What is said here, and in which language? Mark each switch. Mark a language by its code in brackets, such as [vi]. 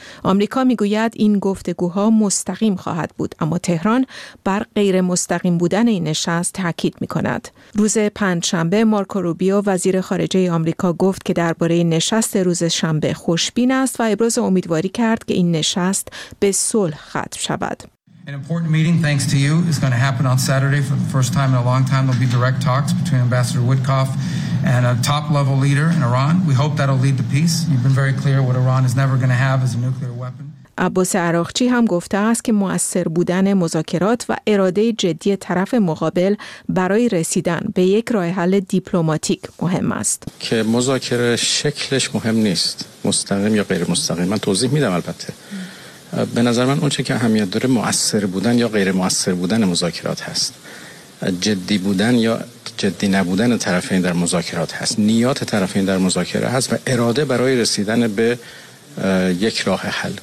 [fa] آمریکا میگوید این گفتگوها مستقیم خواهد بود، اما تهران بر غیر مستقیم بودن این نشست تاکید میکند. روز پنجشنبه مارکو روبیو وزیر خارجه آمریکا گفت که درباره نشست روز شنبه خوشبین است و ابراز امیدواری کرد که این نشست به صلح ختم شود. [en] An important meeting, thanks to you, is going to happen on Saturday for the first time in a long time. There'll be direct talks between Ambassador Witkoff and a top-level leader in Iran. We hope that'll lead to peace. You've been very clear what Iran is never going to have is a nuclear weapon. [fa] عباس عراقچی هم گفته است که مؤثر بودن مذاکرات و اراده جدی طرف مقابل برای رسیدن به یک راه حل دیپلماتیک مهم است. که مذاکره شکلش مهم نیست، مستقیم یا غیر مستقیم. من توضیح میدم البته. به نظر من اون چه که اهمیت داره مؤثر بودن یا غیر مؤثر بودن مذاکرات هست، جدی بودن یا جدی نبودن طرفین در مذاکرات هست، نیات طرفین در مذاکره هست و اراده برای رسیدن به یک راه حل.